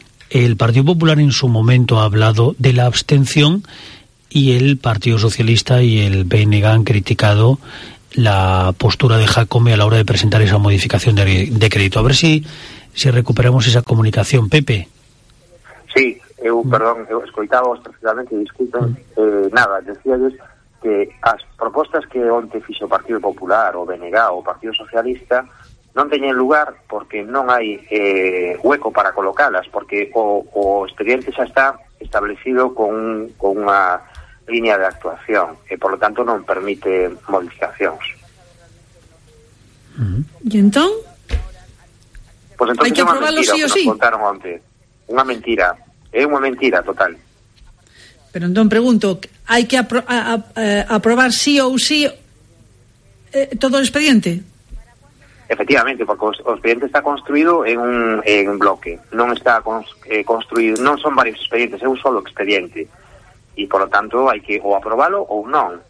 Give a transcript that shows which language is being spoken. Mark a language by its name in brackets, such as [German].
[Spanish] El Partido Popular en su momento ha hablado de la abstención y el Partido Socialista y el BNG han criticado la postura de Jácome a la hora de presentar esa modificación de crédito. A ver si recuperamos esa comunicación. Pepe. [Galician] Sí, perdón, escoitábamos precisamente, disculpen. Nada, [Spanish] decía yo que [Galician] as propostas que onte fixo o Partido Popular, o BNG, o Partido Socialista, non teñen lugar porque non hai hueco para colocalas, porque o expediente xa está establecido con unha línea de actuación, que por lo tanto non permite modificacións. E entón? Pues entón, hai que aprobarlo sí o sí. Contaron onte. Unha mentira, é unha mentira total. Pero entón pregunto, hai que aprobar sí ou sí todo o expediente? Efectivamente, porque o expediente está construído en un bloque. Non está construído, non son varios expedientes, é un solo expediente. E, por lo tanto, hai que ou aprobalo ou non.